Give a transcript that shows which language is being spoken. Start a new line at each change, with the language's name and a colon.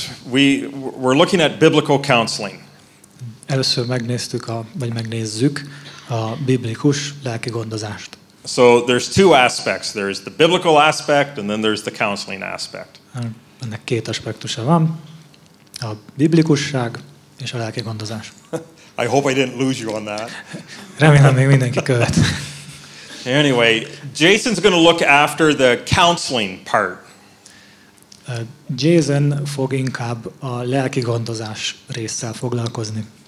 English: We're looking at biblical counseling.
Hungarian: Először megnézzük a biblikus lelkigondozást.
English: So there's two aspects. There's the biblical aspect, and then there's the counseling aspect.
Hungarian: Ennek két aspektusa van. A biblikusság és a lelkigondozás.
English: I hope I didn't lose you on that.
Hungarian: Remélem, még mindenki követ.
English: Anyway, Jason's going to look after the counseling part.
Hungarian: Jason fog inkább a lelkigondozás résszel foglalkozni.